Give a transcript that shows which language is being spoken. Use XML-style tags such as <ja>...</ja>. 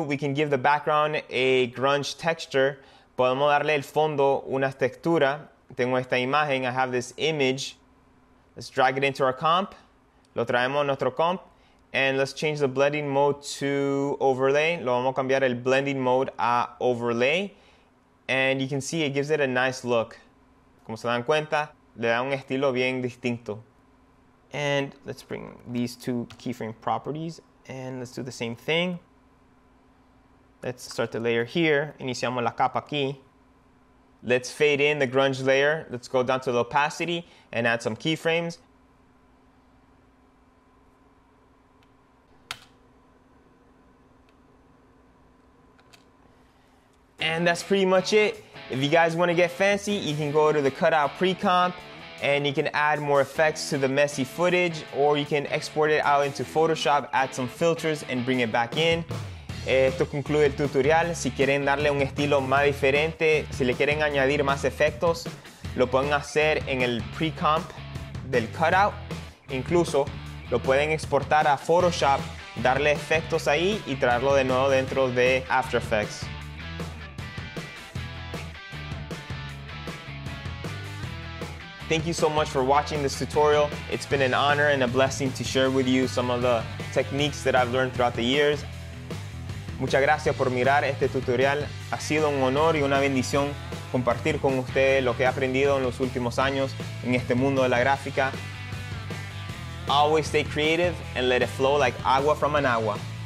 <en>We can give the background a grunge texture.</en> <es>Podemos darle el fondo una textura. Tengo esta imagen.</es> <en>I have this image. Let's drag it into our comp.</en> <es>Lo traemos a nuestro comp.</es> <en>And let's change the blending mode to overlay.</en> <es>Lo vamos a cambiar el blending mode a overlay.</es> <en>And you can see it gives it a nice look.</en> <es>Como se dan cuenta, le da un estilo bien distinto.</es> <en>And let's bring these two keyframe properties. And let's do the same thing. Let's start the layer here.</en> <es>Iniciamos la capa aquí.</es> <en>Let's fade in the grunge layer. Let's go down to the opacity and add some keyframes. And that's pretty much it. If you guys want to get fancy, you can go to the cutout pre-comp and you can add more effects to the messy footage, or you can export it out into Photoshop, add some filters and bring it back in.</en> <es>Esto concluye el tutorial. Si quieren darle un estilo más diferente, si le quieren añadir más efectos, lo pueden hacer en el pre-comp del cutout. Incluso lo pueden exportar a Photoshop, darle efectos ahí y traerlo de nuevo dentro de After Effects.</es> <en>Thank you so much for watching this tutorial. It's been an honor and a blessing to share with you some of the techniques that I've learned throughout the years.</en> <es>Muchas gracias por mirar este tutorial. Ha sido un honor y una bendición compartir con ustedes lo que he aprendido en los últimos años en este mundo de la gráfica.</es> <en>Always stay creative and let it flow like agua from an agua.</en>